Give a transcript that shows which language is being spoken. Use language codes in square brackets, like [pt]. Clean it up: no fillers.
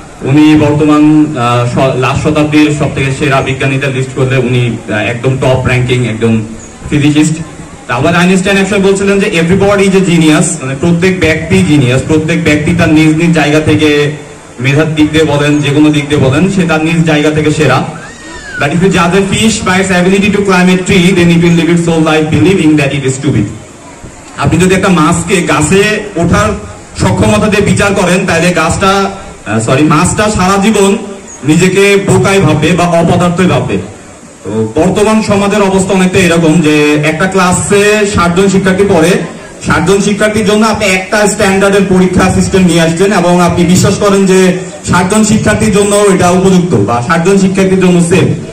[bn] উনি বর্তমান লাস্ট শতাব্দীর সব থেকে সেরা বিজ্ঞানীদের লিস্ট করলে উনি একদম টপ র্যাঙ্কিং একদম ফিজিসিস্ট। আলবার্ট আইনস্টাইন একসময় বলছিলেন যে [en] everybody is a genius, [bn] মানে প্রত্যেক ব্যক্তি জিনিয়াস, প্রত্যেক ব্যক্তি তার নিজ নিজ জায়গা থেকে, মেধার দিক দিয়ে বলেন যে কোনো দিক দিয়ে বলেন, সে তার নিজ জায়গা থেকে সেরা। [en] But if you judge a fish by its ability to climb a tree, then it will live its whole life believing that it is stupid. [bn] আপনি যদি একটা মাছকে গাছে ওঠার সক্ষমতা দিয়ে বিচার করেন, তাহলে গাছটা সরি মাছটা সারা জীবন নিজেকে বোকাই ভাববে বা অপদার্থই ভাববে। তো বর্তমান সমাজের অবস্থা অনেকটা এরকম যে একটা ক্লাসে 60 জন শিক্ষার্থী পড়ে, 60 জন শিক্ষার্থীর জন্য আপনি একটা স্ট্যান্ডার্ডের পরীক্ষা সিস্টেম নিয়ে আসছেন এবং আপনি বিশ্বাস করেন যে 60 জন শিক্ষার্থীর জন্য এটা উপযুক্ত বা 60 জন শিক্ষার্থীর জন্য সেফ।